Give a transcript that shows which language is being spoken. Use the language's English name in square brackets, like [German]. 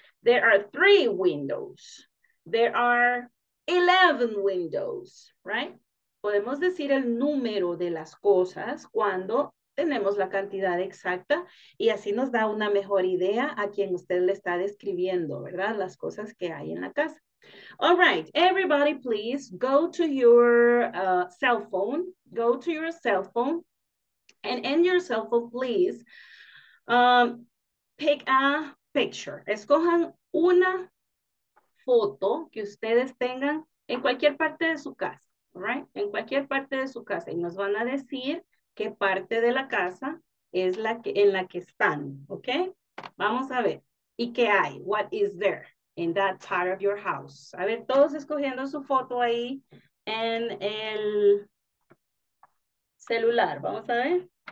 [English] There are three windows. There are 11 windows, ¿right? [Spanish] Podemos decir el número de las cosas cuando tenemos la cantidad exacta y así nos da una mejor idea a quien usted le está describiendo, ¿verdad? Las cosas que hay en la casa. [English] All right, everybody, please go to your cell phone. Go to your cell phone and in your cell phone, please pick a picture. [Spanish] Escojan una foto que ustedes tengan en cualquier parte de su casa, right? En cualquier parte de su casa y nos van a decir qué parte de la casa es la que en la que están, ¿ok? Vamos a ver. ¿Y qué hay? [English] What is there in that part of your house? [Spanish] A ver, todos escogiendo su foto ahí en el celular. Vamos a ver.